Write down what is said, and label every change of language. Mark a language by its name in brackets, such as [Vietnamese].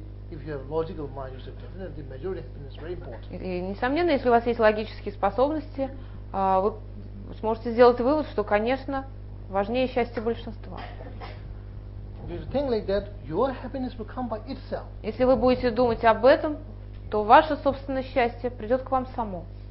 [English] If you have logical mind, you say definitely majority happiness is very important. [Russian] И несомненно, если у вас есть логические способности, вы сможете сделать вывод, что, конечно, важнее счастье большинства. [English] If you think like that, your happiness will come by itself. [Russian] Если вы будете думать об этом, то ваше собственное счастье придет к вам само.